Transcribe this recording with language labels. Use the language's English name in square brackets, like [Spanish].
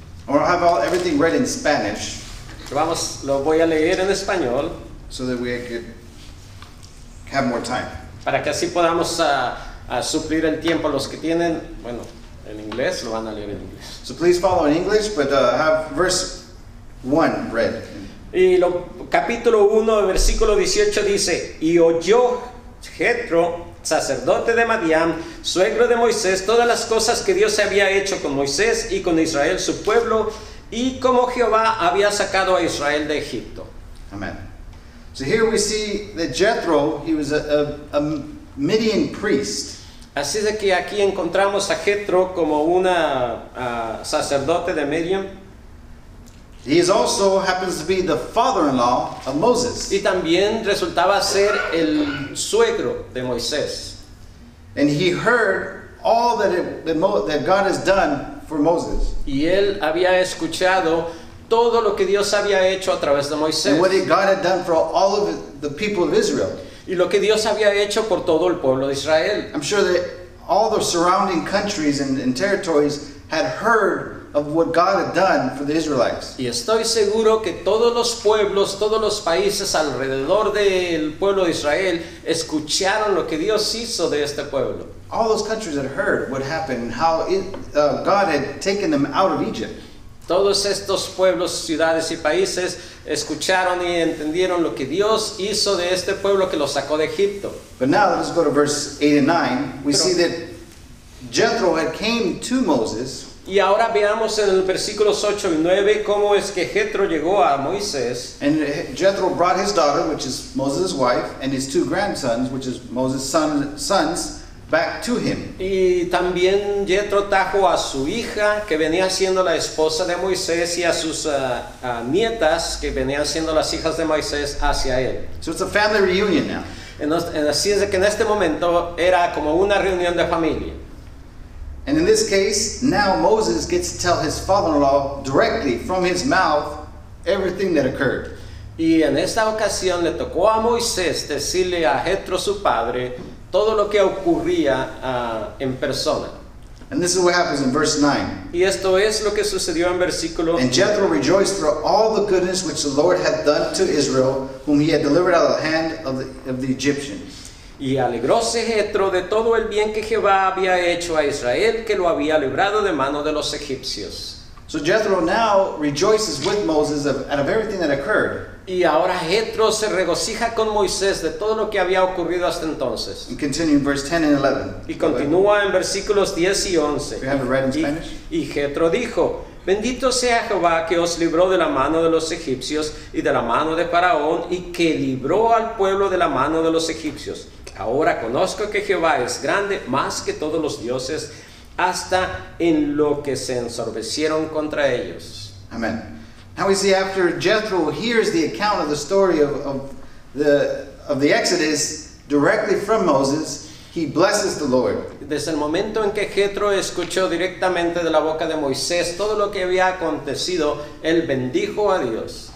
[English] Or have everything read in Spanish. [Spanish] Vamos, lo voy a leer en español. [English] So that we could have more time. [Spanish] Para que así podamos suplir el tiempo los que tienen, bueno, en inglés, lo van a leer en inglés. [English] So please follow in English, but have verse 1 read. [Spanish] Y lo, capítulo 1, versículo 18 dice, y oyó Jetro, sacerdote de Madián, suegro de Moisés, todas las cosas que Dios había hecho con Moisés y con Israel, su pueblo, y como Jehová había sacado a Israel de Egipto. Amen. [English] So here we see that Jethro, he was a Midian priest. [Spanish] Así de que aquí encontramos a Jethro como una sacerdote de Midian. [English] He is also happens to be the father-in-law of Moses. [Spanish] Y también resultaba ser el suegro de Moisés. [English] And he heard all that that God has done for Moses. [Spanish] Y él había escuchado todo lo que Dios había hecho a través de Moisés. [English] And what God had done for all of the people of Israel. [Spanish] Y lo que Dios había hecho por todo el pueblo de Israel. [English] I'm sure that all the surrounding countries and territories had heard of what God had done for the Israelites. [Spanish] Y estoy seguro que todos los pueblos, todos los países alrededor del pueblo de Israel escucharon lo que Dios hizo de este pueblo. [English] All those countries had heard what happened and how God had taken them out of Egypt. [Spanish] Todos estos pueblos, ciudades y países escucharon y entendieron lo que Dios hizo de este pueblo que lo sacó de Egipto. [English] But now let's go to verse 8 and 9. We see that Jethro had came to Moses. [Spanish] Y ahora veamos en el versículos 8 y 9 cómo es que Jethro llegó a Moisés. [English] And Jethro brought his daughter, which is Moses' wife, and his two grandsons, which is Moses' sons, back to him. [Spanish] Y también Jethro trajo a su hija, que venía siendo la esposa de Moisés, y a sus nietas, que venían siendo las hijas de Moisés, hacia él. [English] So it's a family reunion now. [Spanish] En así es que en este momento era como una reunión de familia. [English] And in this case, now Moses gets to tell his father-in-law directly from his mouth everything that occurred. [Spanish] Y en esta ocasión le tocó a Moisés decirle a Jethro su padre todo lo que ocurría en persona. [English] And this is what happens in verse 9. [Spanish] Y esto es lo que sucedió en versículo 9. [English] And Jethro rejoiced for all the goodness which the Lord had done to Israel, whom he had delivered out of the hand of the Egyptians. [Spanish] Y alegróse Jethro de todo el bien que Jehová había hecho a Israel, que lo había librado de mano de los egipcios. [English] So Jethro now rejoices with Moses of everything that occurred. [Spanish] Y ahora Jethro se regocija con Moisés de todo lo que había ocurrido hasta entonces. [English] And continue in verse 10 and 11. [Spanish] Y continúa en versículos 10 y 11. [English] We have it read in Spanish. [Spanish] Y Jethro dijo, bendito sea Jehová que os libró de la mano de los egipcios y de la mano de Faraón y que libró al pueblo de la mano de los egipcios. Ahora conozco que Jehová es grande más que todos los dioses, hasta en lo que se ensorbecieron contra ellos. Amen. [English] Now we see after Jethro hears the account of the story of the Exodus directly from Moses, he blesses the Lord. [Spanish] Desde el momento en que Jethro escuchó directamente de la boca de Moisés todo lo que había acontecido, él bendijo a Dios.